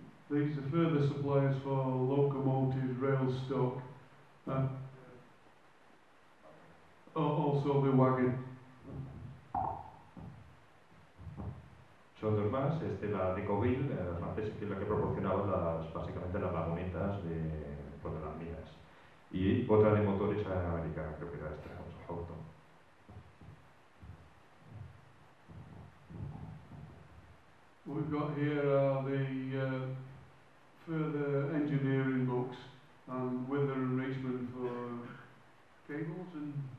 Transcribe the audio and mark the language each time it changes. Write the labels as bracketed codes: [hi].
[en] These are further suppliers for locomotives, rail stock, also the wagon. [es] Son dos más, la Decoville, la francesa, que es la que proporcionaba básicamente las vagonetas de las minas. Y otra de motores americana, creo que era esta, con su auto. [en] We've got here the further engineering books and weather enrichment for cables and.